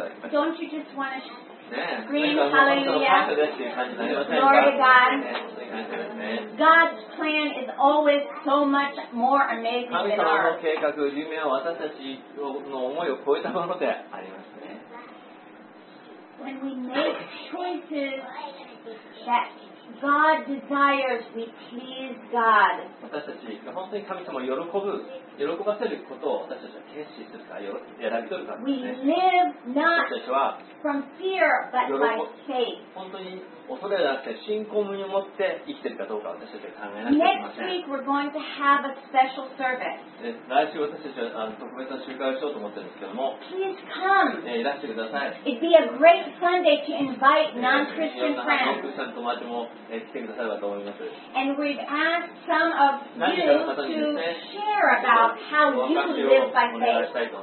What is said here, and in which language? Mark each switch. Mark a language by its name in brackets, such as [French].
[English] Don't you just want to scream hallelujah? Glory to God. God's plan is always so much more amazing than ours. [Japanese] 神様の計画、夢は私たちの思いを超えたものでありますね。 [English] When we make choices that God desires, we please God. [Japanese] 私たちが本当に神様を喜ぶ、喜ばせることを私たちは決心するか、選び取るかですね。 [English] We live not from fear, but by faith. [Japanese] 本当に恐れなくて信仰を持って生きているかどうか私たちは考えなきゃいけません。 [English] Next week we're going to have a special service. [Japanese] 来週私たちは特別な集会をしようと思っているんですけども、 [English] Please come. [Japanese] いらしてください。 [English] It'd be a great Sunday to invite non-Christian friends. [Japanese] クリスチャン友達も来てくださればと思います。 [English] And we'd ask some of you to share about how you live by faith.